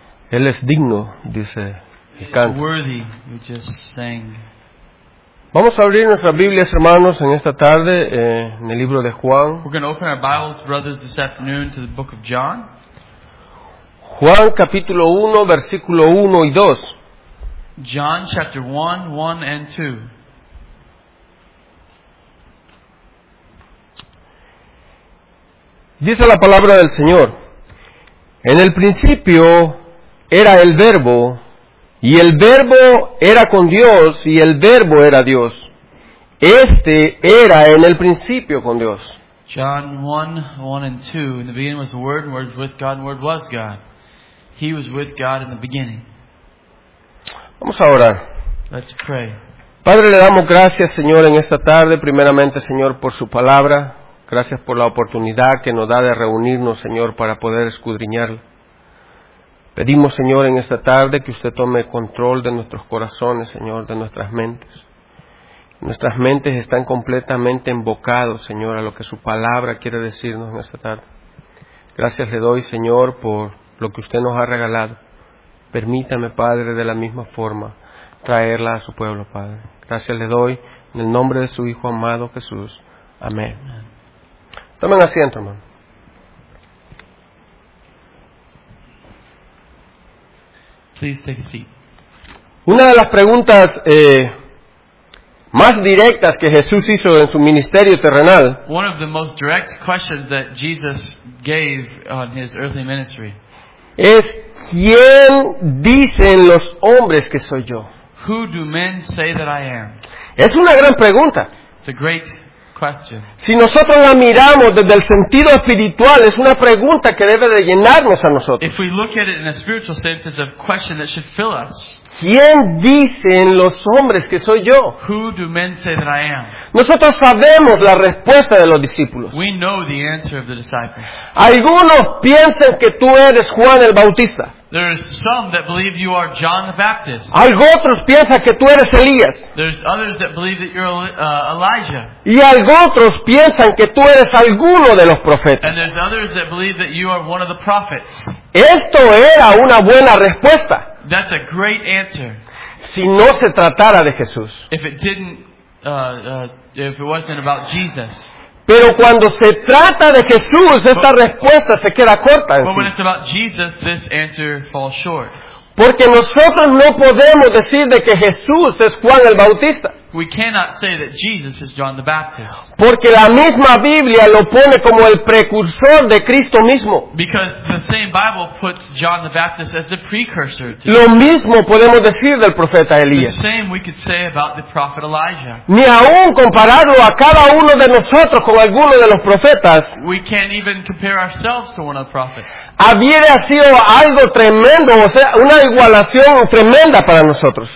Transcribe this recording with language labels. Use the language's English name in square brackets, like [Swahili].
[Spanish] Él es digno, dice el canto. [English] Worthy, we just sang. [Spanish] Vamos a abrir nuestras Biblias, hermanos, en esta tarde, en el libro de Juan. [English] We're going to open our Bibles, brothers, this afternoon to the book of John. [Spanish] Juan capítulo 1, versículo 1 y 2. [English] John chapter 1, 1 and 2. [Spanish] Dice la palabra del Señor: en el principio era el Verbo, y el Verbo era con Dios, y el Verbo era Dios. Este era en el principio con Dios. [English] John 1, 1 and 2. In the beginning was the Word, and Word was with God, and Word was God. He was with God in the beginning. [Spanish] Vamos a orar. [English] Let's pray. [Spanish] Padre, le damos gracias, Señor, en esta tarde, primeramente, Señor, por su palabra. Gracias por la oportunidad que nos da de reunirnos, Señor, para poder escudriñarla. Pedimos, Señor, en esta tarde que usted tome control de nuestros corazones, Señor, de nuestras mentes. Nuestras mentes están completamente embocadas, Señor, a lo que su palabra quiere decirnos en esta tarde. Gracias le doy, Señor, por lo que usted nos ha regalado. Permítame, Padre, de la misma forma, traerla a su pueblo, Padre. Gracias le doy en el nombre de su Hijo amado Jesús. Amén. Tomen asiento, hermano. [English] Please take a seat. [Spanish] Una de las preguntas más directas que Jesús hizo en su ministerio terrenal. [English] One of the most direct questions that Jesus gave on his earthly ministry. [Spanish] Es: ¿quién dicen los hombres que soy yo? [English] Who do men say that I am? [Spanish] Es una gran pregunta. [English] It's a great question. [Spanish] Si nosotros la miramos desde el sentido espiritual, es una pregunta que debe de llenarnos a nosotros. [English] If we look at it in a spiritual sense, it's a question that should fill us. [Spanish] ¿Quién dicen los hombres que soy yo? [English] Who do men say that I am? [Spanish] Nosotros sabemos la respuesta de los discípulos. [English] We know the answer of the disciples. [Spanish] Algunos piensan que tú eres Juan el Bautista. [English] There are some that believe you are John the Baptist. [Spanish] Algo otros piensan que tú eres Elías. [English] There's others that believe that you're Elijah. [Spanish] Y algo otros piensan que tú eres alguno de los profetas. [English] And there's others that believe that you are one of the prophets. [Spanish] Esto era una buena respuesta. [English] That's a great answer. [Spanish] Si no se tratara de Jesús. [English] If it didn't, if it wasn't about Jesus. [Spanish] Pero cuando se trata de Jesús, esta respuesta se queda corta. [English] But when it's about Jesus, this answer falls short. [Spanish] Porque nosotros no podemos decir de que Jesús es Juan el Bautista. [English] We cannot say that Jesus is John the Baptist. [Spanish] Porque la misma Biblia lo pone como el precursor de Cristo mismo. [English] Because the same Bible puts John the Baptist as the precursor to. [Spanish] Lo mismo podemos decir del profeta Elías. [English] The same we could say about the prophet Elijah. [Spanish] Ni aun compararlo a cada uno de nosotros con alguno de los profetas. [English] We can't even compare ourselves to one of the prophets. [Spanish] Habría sido algo tremendo, o sea, una igualación tremenda para nosotros.